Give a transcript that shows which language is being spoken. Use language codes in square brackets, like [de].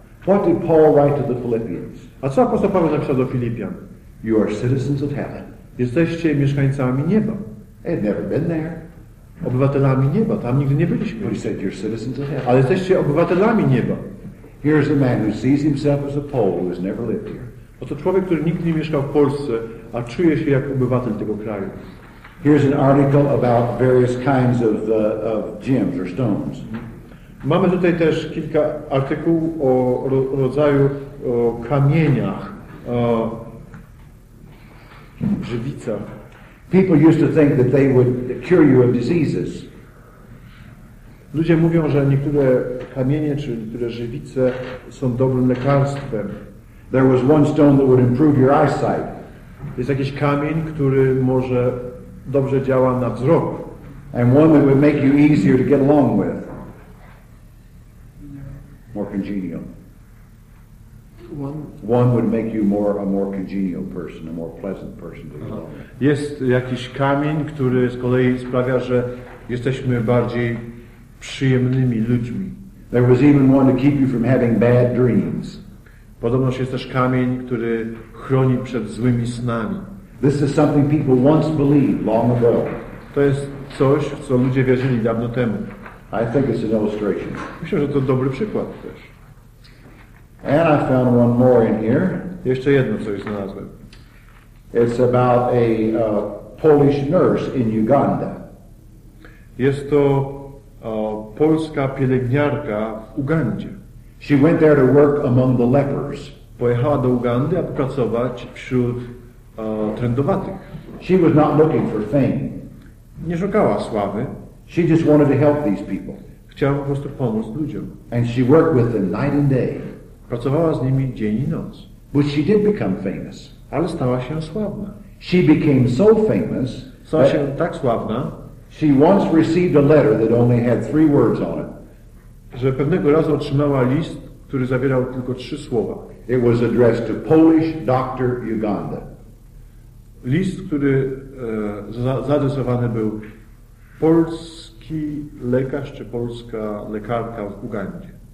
[en] What did Paul write to the Philippians? [pl] A co apostoł Paweł napisał do Filipian? [en] You are citizens of heaven. [pl] Jesteście mieszkańcami nieba. [en] I've never been there. [pl] Obywatelami nieba. Tam nigdy nie byliśmy. [en] But he said, you're citizens of heaven. [pl] Ale jesteście obywatelami nieba. [en] Here's a man who sees himself as a Pole who has never lived here. [pl] Oto człowiek, który nigdy nie mieszkał w Polsce, a czuje się jak obywatel tego kraju. [en] Here's an article about various kinds of gems or stones. [pl] Mamy tutaj też kilka artykułów o rodzaju o kamieniach, o żywicach. [en] People used to think that they would cure you of diseases. [pl] Ludzie mówią, że niektóre kamienie czy niektóre żywice są dobrym lekarstwem. [en] There was one stone that would improve your eyesight. [pl] Jest jakiś kamień, który może dobrze działa na wzrok. [en] And one that would make you easier to get along with. More congenial. One would make you more a more congenial person, a more pleasant person to get along with. [pl] Jest jakiś kamień, który z kolei sprawia, że jesteśmy bardziej przyjemnymi ludźmi. [en] There was even one to keep you from having bad dreams. [pl] Podobno jest też kamień, który chroni przed złymi snami. [en] This is something people once believed long ago. [pl] To jest coś, w co ludzie wierzyli dawno temu. [en] I think it's an illustration. [pl] Myślę, że to dobry przykład też. [en] And I found one more in here. [pl] Jeszcze jedno coś znalazłem. [en] It's about a Polish nurse in Uganda. [pl] Jest to polska pielęgniarka w Ugandzie. [en] She went there to work among the lepers. [pl] Pojechała do Ugandy, aby pracować wśród trędowatych. [en] She was not looking for fame. [pl] Nie szukała sławy. [en] She just wanted to help these people. [pl] Chciała po prostu pomóc ludziom. [en] And she worked with them night and day. [pl] Pracowała z nimi dzień i noc. [en] But she did become famous. [pl] Ale stała się sławna. [en] She became so famous. [pl] Stała się tak sławna. [en] She once received a letter that only had three words on it. [pl] Że pewnego razu otrzymała list, który zawierał tylko trzy słowa. [en] It was addressed to Polish Doctor Uganda. [pl] List, który zaadresowany był polski lekarz czy polska lekarka w Ugandzie.